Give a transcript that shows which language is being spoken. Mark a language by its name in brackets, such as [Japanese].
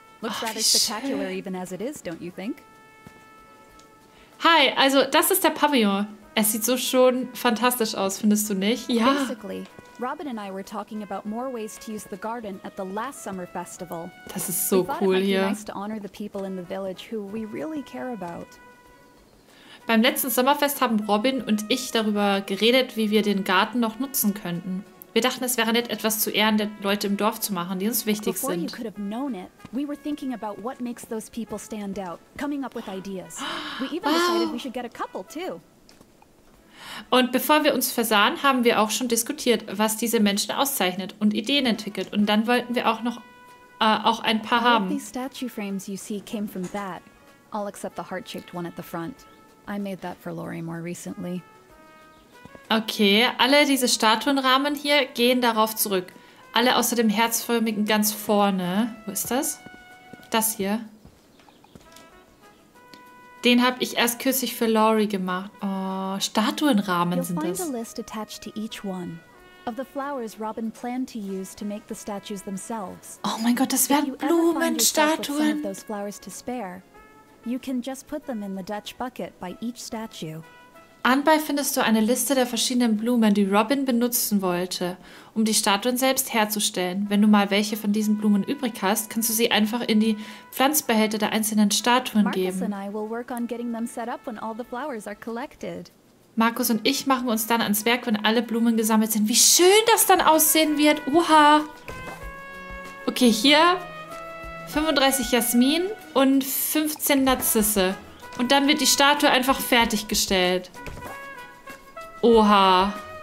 [English] Looks rather spectacular even as it is, don't you think? [German] Hi, also das ist der Pavillon. Es sieht so schon fantastisch aus, findest du nicht? Ja. [English] Basically, Robin and I were talking about more ways to use the garden at the last summer festival. [German] Das ist so cool hier. [English] Nice to honor the people in the village who we really care about. [German] Beim letzten Sommerfest haben Robin und ich darüber geredet, wie wir den Garten noch nutzen könnten. Wir dachten, es wäre nett, etwas zu Ehren der Leute im Dorf zu machen, die uns wichtig sind. [English] Before you could have known it, we were thinking about what makes those people stand out, coming up with ideas. We even decided we should get a couple too. [German] Und bevor wir uns versahen, haben wir auch schon diskutiert, was diese Menschen auszeichnet und Ideen entwickelt. Und dann wollten wir auch noch auch ein paar haben. [English] These statue frames you see came from that, all except the heart-shaped one at the front. I made that for Lori more recently. [German] Okay, alle diese Statuenrahmen hier gehen darauf zurück. Alle außer dem herzförmigen ganz vorne. Wo ist das? Das hier. Den habe ich erst kürzlich für Lori gemacht. Oh, Statuenrahmen sind das. [English] You'll find a list attached to each one of the flowers Robin planned to use to make the statues themselves. [German] Oh mein Gott, das wären Blumenstatuen. [English] Those flowers to spare. You can just put them in the Dutch bucket by each statue. [German] Anbei findest du eine Liste der verschiedenen Blumen, die Robin benutzen wollte, um die Statuen selbst herzustellen. Wenn du mal welche von diesen Blumen übrig hast, kannst du sie einfach in die Pflanzbehälter der einzelnen Statuen geben. [English] Marcus and I will work on getting them set up when all the flowers are collected. [German] Markus und ich machen uns dann ans Werk, wenn alle Blumen gesammelt sind. Wie schön das dann aussehen wird. Oha. Okay, hier 35 Jasmin und 15 Narzisse. Und dann wird die Statue einfach fertiggestellt. Oha.